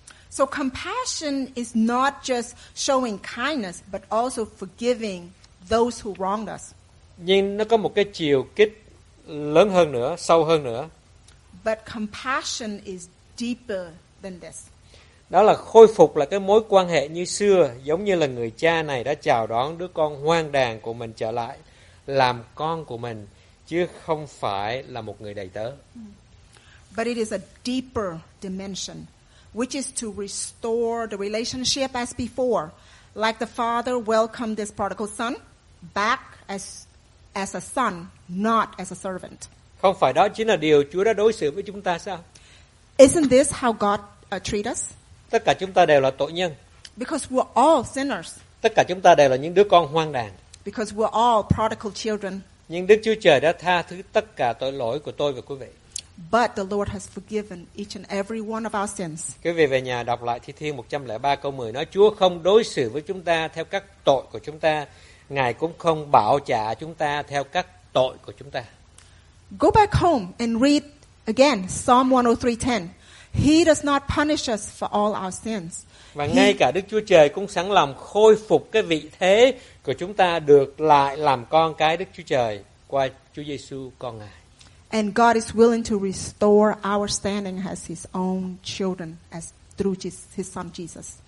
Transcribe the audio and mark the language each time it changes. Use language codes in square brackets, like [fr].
[en] So compassion is not just showing kindness but also forgiving those who wronged us. [vi] Nhưng nó có một cái chiều kích lớn hơn nữa, sâu hơn nữa. [en] But compassion is deeper than this. [vi] Đó là khôi phục lại cái mối quan hệ như xưa, giống như là người cha này đã chào đón đứa con hoang đàn của mình trở lại, làm con của mình, chứ không phải là một người đầy tớ. [en] But it is a deeper dimension, which is to restore the relationship as before, like the father welcomed this prodigal son back as a son, not as a servant. [vi] Không phải đó chính là điều Chúa đã đối xử với chúng ta sao? [en] Isn't this how God treat us? [vi] Tất cả chúng ta đều là tội nhân. [en] Because we're all sinners. [vi] Tất cả chúng ta đều là những đứa con hoang đàn. [en] Because we're all prodigal children. [vi] Nhưng Đức Chúa Trời đã tha thứ tất cả tội lỗi của tôi và quý vị. [en] But the Lord has forgiven each and every one of our sins. [vi] Quý vị về nhà đọc lại Thi Thiên 103 câu 10 nói Chúa không đối xử với chúng ta theo các tội của chúng ta, Ngài cũng không bảo trả chúng ta theo các tội của chúng ta. [en] Go back home and read again Psalm 103:10. He does not punish us for all our sins. [vi] Và ngay cả Đức Chúa Trời cũng sẵn lòng khôi phục cái vị thế của chúng ta được lại làm con cái Đức Chúa Trời qua Chúa Giêsu con Ngài. [en] And God is willing to restore our standing as his own children as through his son Jesus.